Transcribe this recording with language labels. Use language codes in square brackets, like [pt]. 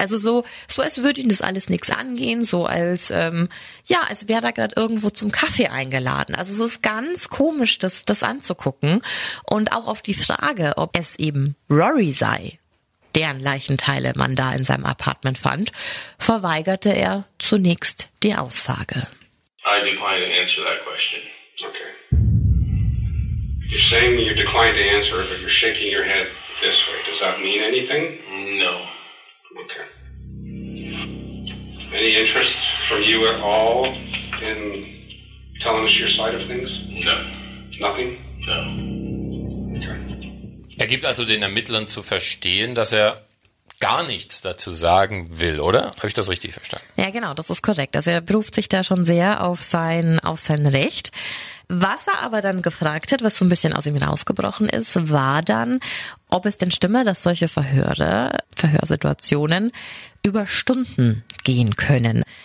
[de] Also so als würde ihn das alles nichts angehen. So als, als wäre er gerade irgendwo zum Kaffee eingeladen. Also es ist ganz komisch, das anzugucken. Und auch auf die Frage, ob es eben Rory sei, deren Leichenteile man da in seinem Apartment fand, verweigerte er zunächst die Aussage. [en] I decline to answer that question. Okay. You're saying you decline to answer, but you're shaking your head this way. Does that mean anything? No. Okay. Any interest from you at all in telling us your side of things? No. Nothing? No. [de] Er gibt also den Ermittlern zu verstehen, dass er gar nichts dazu sagen will, oder? Habe ich das richtig verstanden? Ja, genau, das ist korrekt. Also er beruft sich da schon sehr auf sein Recht. Was er aber dann gefragt hat, was so ein bisschen aus ihm rausgebrochen ist, war dann, ob es denn stimme, dass solche Verhöre, Verhörsituationen über Stunden gehen können.